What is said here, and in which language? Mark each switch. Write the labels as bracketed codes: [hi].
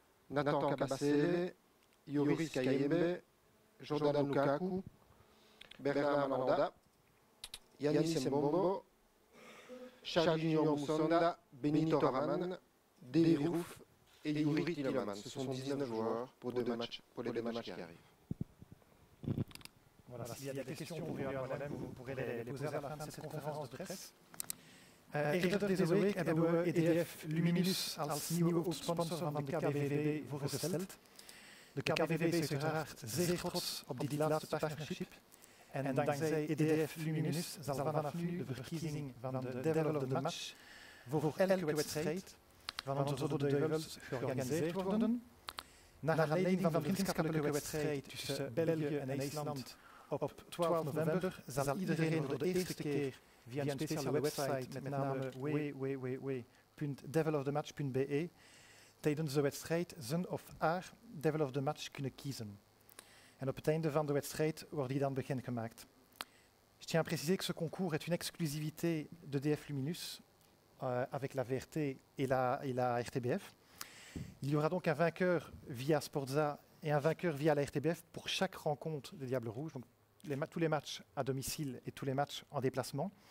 [fr] Nathan Cabassele, Yoris Kayembe, Jordan Lukaku, Bernard Mandanda, Yannis Mbombo, Charles-Union Moussonda, Benito Raman, Deli Rouf et Yuri Tillemans. Ce sont 19 joueurs pour, deux matchs, pour les deux matchs qui arrivent. Voilà, s'il y a des questions pour Johan Wallem, vous pourrez les poser à la fin de cette conférence de presse. [nl] Erdogan Desoek, EBOE et EDF Luminus, als nieuw sponsor van de KBVB, voorgesteld. De KBVB is uiteraard zeer trots op die laatste partnership. En dankzij EDF Luminus zal vanaf nu de verkiezing van de Devil of the Match voor elke wedstrijd van onze Rode Duivels georganiseerd worden. Naar aanleiding van de vriendschappelijke wedstrijd tussen België en IJsland op 12 november zal iedereen voor de eerste keer via een speciale website met name www.devilofthematch.be tijdens de wedstrijd zijn of haar Devil of the Match kunnen kiezen. En op het einde van de wedstrijd wordt die dan bekendgemaakt. [fr] Je tiens à préciser que ce concours est une exclusivité de DF Luminus avec la VRT et la RTBF. Il y aura donc un vainqueur via Sportza et un vainqueur via la RTBF pour chaque rencontre des Diables Rouges, donc tous les matchs à domicile et tous les matchs en déplacement.